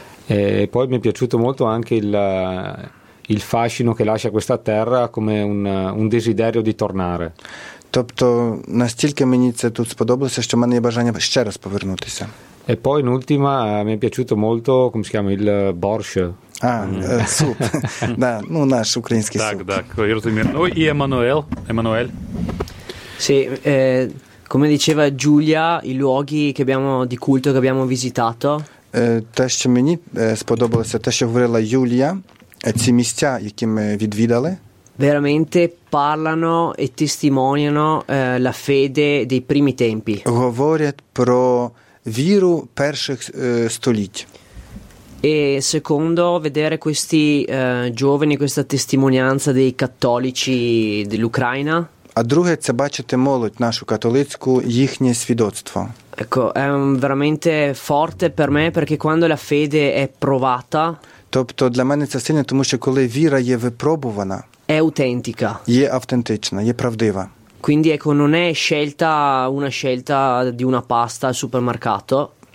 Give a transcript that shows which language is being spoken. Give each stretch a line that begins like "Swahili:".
Italian: E poi mi è piaciuto molto anche il fascino che lascia questa terra come un desiderio di tornare.
Ukrainian: Тобто настільки мені це тут сподобалося, що в мене є бажання ще раз повернутися.
Italian: E poi in ultima mi è piaciuto molto, come si chiama, il borscht.
Ukrainian: Суп. Да, ну наш український суп. Так, так, я розумію. Ну і Еммануел, Еммануел.
Italian: Sì, come diceva Giulia, i luoghi che abbiamo di culto che abbiamo visitato.
Ukrainian: Те, що мені сподобалося, те, що говорила Юлія, ці місця, які ми відвідали.
Italian: Veramente parlano e testimoniano la fede dei primi tempi.
Ukrainian: Говорять про віру перших століть.
Italian: E secondo, vedere questi giovani, questa testimonianza dei cattolici dell'Ucraina.
Ukrainian: А друге, це бачити молодь нашу католицьку, їхнє свідоцтво.
Italian: Ecco, è veramente forte per me, perché quando la fede è provata.
Ukrainian: Тобто для мене це сильно, тому що коли віра є випробувана.
Italian: È autentica.
Ukrainian: Є автентична, є правдива.
Italian: Quindi ecco, non è scelta una scelta di una pasta al supermercato.